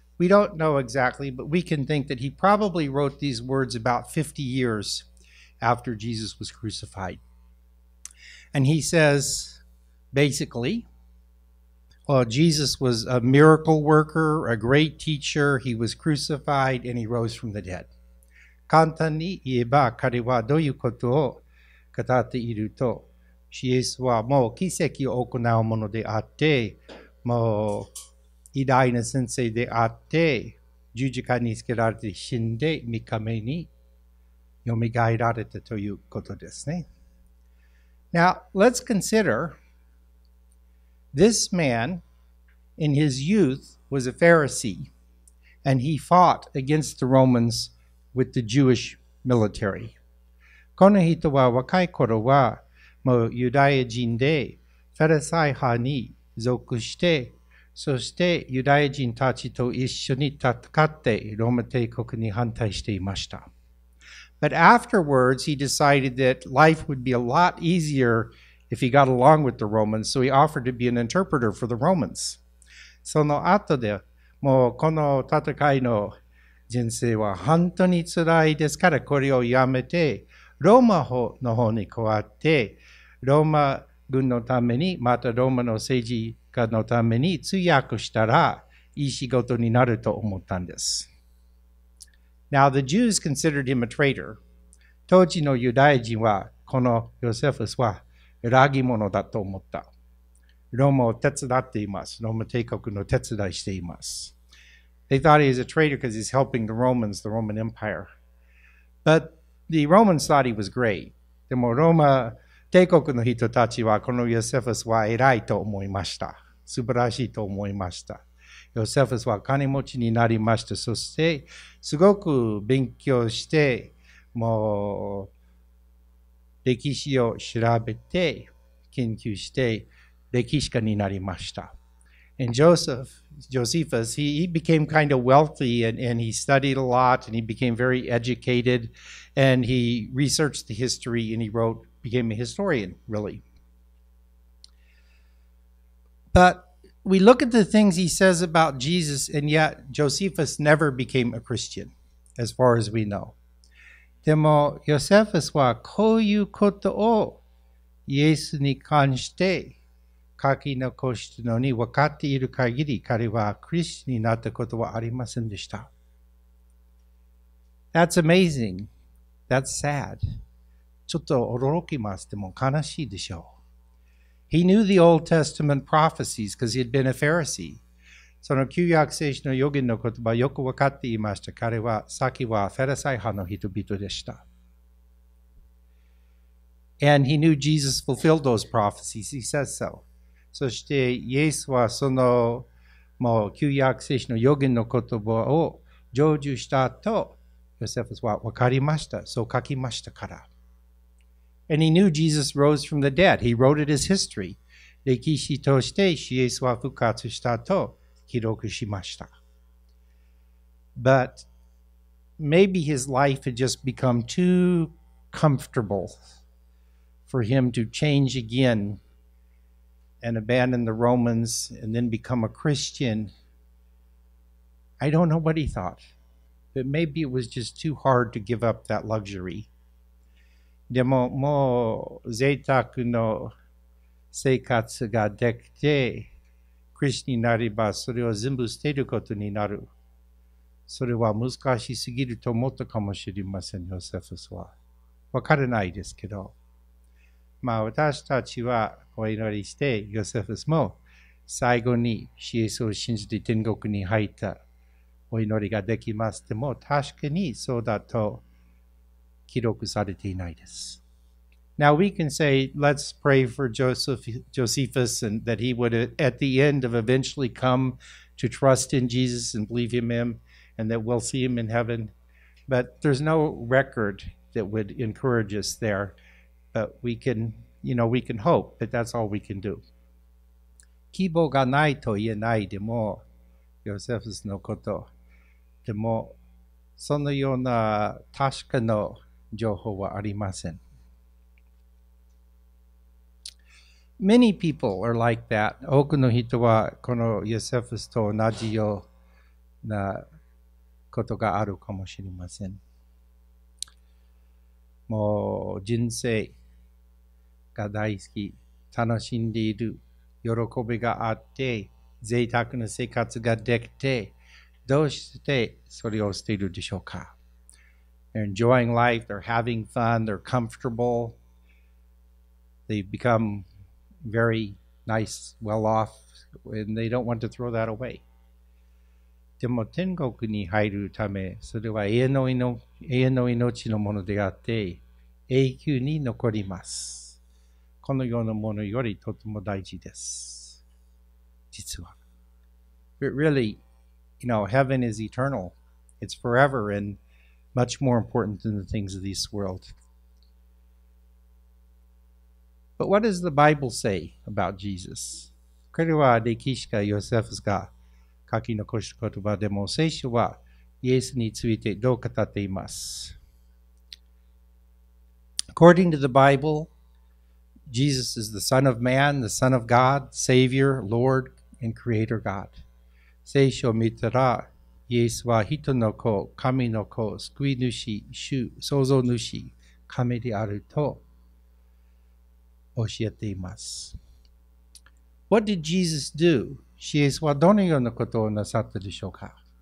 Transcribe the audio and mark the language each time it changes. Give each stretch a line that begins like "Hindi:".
English: We don't know exactly, but we can think that he probably wrote these words about 50 years after Jesus was crucified. And he says, basically, well, Jesus was a miracle worker, a great teacher. He was crucified and he rose from the dead.
Japanese: 簡単に言えば、彼はどういうことを語っていると、イエスはもう奇跡を行うものであって、もう偉大な先生であって、十字架につけられて死んで、3日目に蘇られたということですね。
English: Now, let's consider, this man, in his youth, was a Pharisee, and he fought against the Romans with the Jewish military.
Japanese: この人は若い頃は、もうユダヤ人で、ファリサイ派に属して、そしてユダヤ人たちと一緒に戦って、ローマ帝国に反対していました。
English: But afterwards, he decided that life would be a lot easier if he got along with the Romans, so he offered to be an interpreter for the Romans.
Japanese: その後で、もうこの戦いの人生は本当につらいですから、これをやめて、ローマの方に加わって、ローマ軍のために、またローマの政治家のために通訳したらいい仕事になると思ったんです。
English: Now the Jews considered him a traitor.
Japanese: 当時のユダヤ人はこのヨセフスは裏切者だと思った。ローマを手伝っています。ローマ帝国の手伝いしています。
English: They thought he was a traitor because he's helping the Romans, the Roman Empire. But the Romans thought he was great.
Japanese: でもローマ帝国の人たちはこのヨセフスは偉いと思いました。素晴らしいと思いました。ヨセフスは金持ちになりました。そして、すごく勉強して、もう、歴史を調べて、研究して、歴史家になりました。
English: And Joseph, Josephus, he became kind of wealthy and he studied a lot and he became very educated and he researched the history and he wrote, became a historian, really. But,We look at the things he says about Jesus, and yet Josephus never became a Christian, as far as we know.
Japanese: でも、ヨセフスはこういうことをイエスに関して書き残したのに分かっている限り、彼はクリスチャンになったことはありませんでした。
English: That's amazing. That's sad.
Japanese: ちょっと驚きます。でも悲しいでしょう。
English: He knew the Old Testament prophecies because he had been a Pharisee.
Japanese: その旧約聖書の預言の言葉よく分かっていました。彼は先はフェルサイ派の人々でした。
English: And he knew Jesus fulfilled those prophecies. He says so.
Japanese: そしてイエスはそのもう旧約聖書の預言の言葉を成就したとヨセフスは分かりました。そう書きましたから。
English: And he knew Jesus rose from the dead. He wrote it as history.
Japanese: 歴史としてイエスは復活したと記録しました。
English: But maybe his life had just become too comfortable for him to change again and abandon the Romans and then become a Christian. I don't know what he thought, but maybe it was just too hard to give up that luxury.
Japanese: でも、もう贅沢の生活ができて、クリスチャンになれば、それを全部捨てることになる。それは難しすぎると思ったかもしれません、ヨセフスは。わからないですけど。まあ、私たちはお祈りしてヨセフスも最後にイエスを信じて天国に入ったお祈りができます。でも確かにそうだと記録されていないです。
English: Now we can say, let's pray for Josephus and that he would at the end of eventually come to trust in Jesus and believe in him and that we'll see him in heaven. But there's no record that would encourage us there. But we can, you know, we can hope, but that's all we can do.
Japanese: 希望がないと言えないでも、ヨセフスのこと。でも、そのような確かな情報はありません。
English: Many people are like that.
Japanese: 多くの人はこのヨセフスと同じようなことがあるかもしれません。もう人生が大好き、楽しんでいる、喜びがあって、贅沢な生活ができて、どうしてそれをしているでしょうか。
English: They're enjoying life, they're having fun, they're comfortable, they've become... very nice, well off, and they don't want to throw that away.
Japanese: でも天国に入るため、それは永遠の命のものであって、永久に残ります。このようなものよりとても大事です。実は。
English: But really, you know, heaven is eternal. It's forever and much more important than the things of this world. But what does the Bible say about Jesus?
Japanese: これは歴史家ヨセフスが書き残した言葉でも、聖書はイエスについてどう語っています。
English: According to the Bible, Jesus is the Son of Man, the Son of God, Savior, Lord, and Creator God.
Japanese: 聖書を見たら、イエスは人の子、神の子、救い主、主、創造主、神であると、教えています。
English: What did Jesus do?
Japanese: イエスはどのようなことをなさったでしょうか?